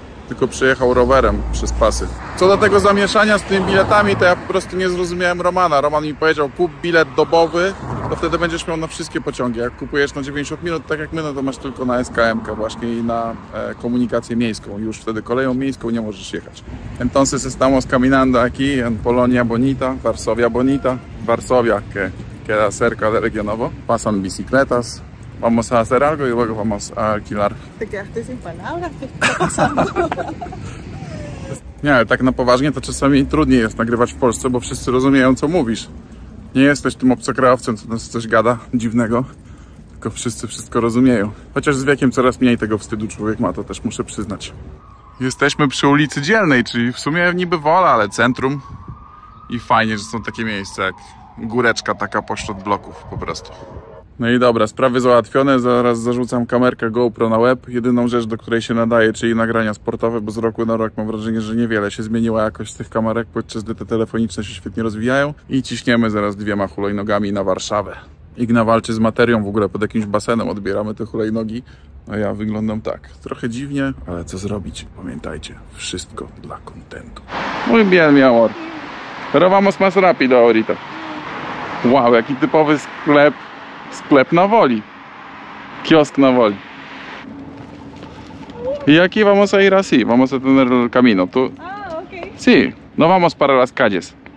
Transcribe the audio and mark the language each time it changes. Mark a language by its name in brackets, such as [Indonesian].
[Polish] tylko przejechał rowerem przez pasy. Co do tego zamieszania z tymi biletami, to ja po prostu nie zrozumiałem Romana. Roman mi powiedział, kup bilet dobowy, to wtedy będziesz miał na wszystkie pociągi. Jak kupujesz na 90 minut, tak jak my, no to masz tylko na SKM-kę właśnie i na komunikację miejską. Już wtedy koleją miejską nie możesz jechać. [Spanish] Entonces estamos caminando aquí en Polonia Bonita, Varsovia Bonita, Varsovia, que queda cerca de regionowo. Pasan bicicletas. Vamos a hacer algo y luego vamos a alquilar. Te quedaste sin palabras. [Polish] Nie, ale tak na poważnie, to czasami trudniej jest nagrywać w Polsce, bo wszyscy rozumieją, co mówisz. Nie jesteś tym obcokrajowcem, co nas coś gada dziwnego, tylko wszyscy wszystko rozumieją. Chociaż z wiekiem coraz mniej tego wstydu człowiek ma, to też muszę przyznać. Jesteśmy przy ulicy Dzielnej, czyli w sumie niby Wola, ale centrum. I fajnie, że są takie miejsca jak góreczka taka pośród bloków po prostu. No i dobra, sprawy załatwione, zaraz zarzucam kamerkę GoPro na łeb. Jedyną rzecz, do której się nadaje, czyli nagrania sportowe, bo z roku na rok mam wrażenie, że niewiele się zmieniło jakość tych kamerek, podczas gdy te telefoniczne się świetnie rozwijają. I ciśniemy zaraz dwiema hulajnogami na Warszawę. Igna walczy z materią, w ogóle pod jakimś basenem odbieramy te hulajnogi, a ja wyglądam tak, trochę dziwnie, ale co zrobić? Pamiętajcie, wszystko dla kontentu. [Spanish] Muy bien, mi amor. Pero vamos más rápido ahorita. [Polish] Wow, jaki typowy sklep. Sklep na Woli. Kiosk na Woli. [Spanish] Y aquí vamos a ir así. Vamos a tener el camino. Tú... Ah, ok. Sí. No vamos para las calles.